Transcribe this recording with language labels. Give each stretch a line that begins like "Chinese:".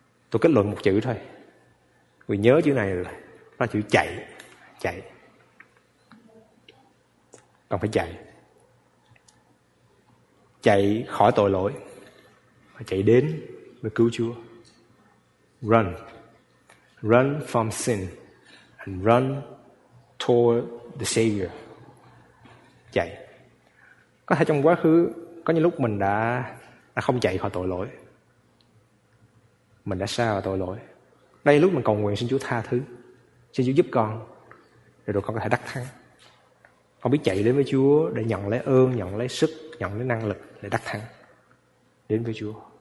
Vietnamese: Tôi kết luận một chữ thôi, vì nhớ chữ này là, đó là chữ chạy. Chạy, còn phải chạy. Chạy khỏi tội lỗi, chạy đến với cứu Chúa.
English: Run, run from sin and run toward the Savior.
Vietnamese: Chạy. Có thể trong quá khứ có những lúc mình đã không chạy khỏi tội lỗi, mình đã xa vào tội lỗi. Đây là lúc mình cầu nguyện xin Chúa tha thứ, xin Chúa giúp con để rồi con có thể đắc thắng. Con biết chạy đến với Chúa để nhận lấy ơn, nhận lấy sức, nhận lấy năng lực để đắc thắng, đến với Chúa.